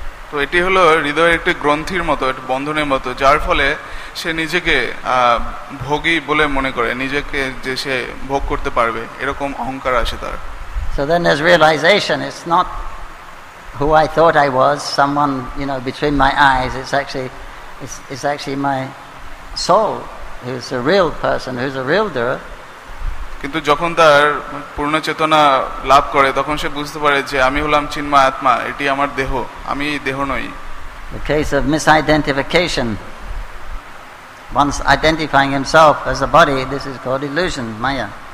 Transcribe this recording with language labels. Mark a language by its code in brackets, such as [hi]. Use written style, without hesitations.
[bn] তো এটি হলো হৃদয়ের একটি গ্রন্থির মতো, একটা বন্ধনের মতো, যার ফলে সে নিজেকে ভোগী বলে মনে করে, নিজেকে যে সে ভোগ করতে পারবে, এরকম অহংকার আসে তার। [en] So then there's realization, it's not who I thought I was, someone, you know, between my eyes, it's actually my soul who's a real person, who's a real doer. [bn] কিন্তু যখন তার পূর্ণ চেতনা লাভ করে তখন সে বুঝতে পারে যে আমি হলাম চিন্ময় আত্মা, এটি আমার দেহ, আমি দেহ নই। [en] The case of misidentification, once identifying himself as a body, this is called illusion, maya.